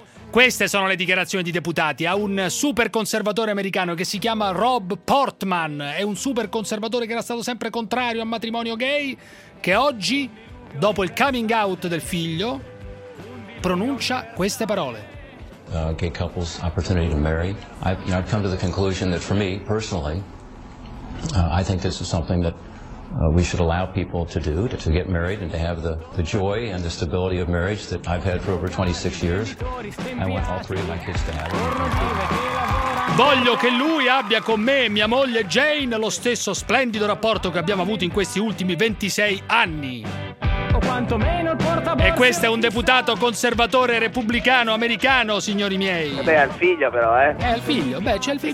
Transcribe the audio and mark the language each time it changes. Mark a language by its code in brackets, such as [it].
[it] Queste sono le dichiarazioni di deputati a un super conservatore americano che si chiama Rob Portman. È un super conservatore che era stato sempre contrario al matrimonio gay, che oggi, dopo il coming out del figlio, pronuncia queste parole. [en] Gay couples opportunity to marry. I've come to the conclusion that for me personally, I think this is something that we should allow people to do, to get married and to have the joy and the stability of marriage that I've had for over 26 years. I want all three of my kids to have it. [it] Voglio che lui abbia con me e mia moglie Jane lo stesso splendido rapporto che abbiamo avuto in questi ultimi 26 anni. Quantomeno il portaborsa. E questo è un deputato conservatore repubblicano americano, signori miei. Vabbè, al figlio però, eh. È al figlio, beh, c'è il figlio.